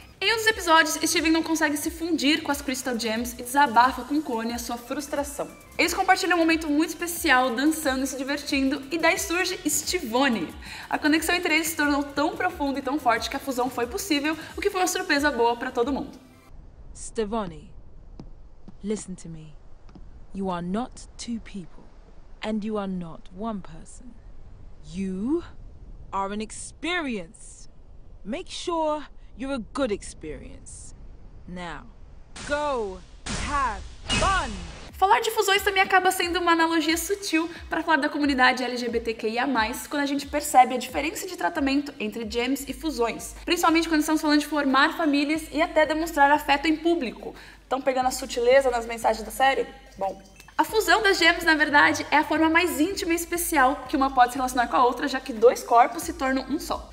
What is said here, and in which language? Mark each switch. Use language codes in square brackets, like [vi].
[pt] Em um dos episódios, Steven não consegue se fundir com as Crystal Gems e desabafa com Connie a sua frustração. Eles compartilham um momento muito especial, dançando e se divertindo, e daí surge Stevone. A conexão entre eles se tornou tão profunda e tão forte que a fusão foi possível, o que foi uma surpresa boa para todo mundo. [en] Stevone, listen to me. You are not two people, and you are not one person. You are an experience. Make sure you're a good experience. Now, go have fun! [pt] Falar de fusões também acaba sendo uma analogia sutil para falar da comunidade LGBTQIA+, quando a gente percebe a diferença de tratamento entre gems e fusões. Principalmente quando estamos falando de formar famílias e até demonstrar afeto em público. Estão pegando a sutileza nas mensagens da série? Bom. A fusão das gems, na verdade, é a forma mais íntima e especial que uma pode se relacionar com a outra, já que 2 corpos se tornam um só.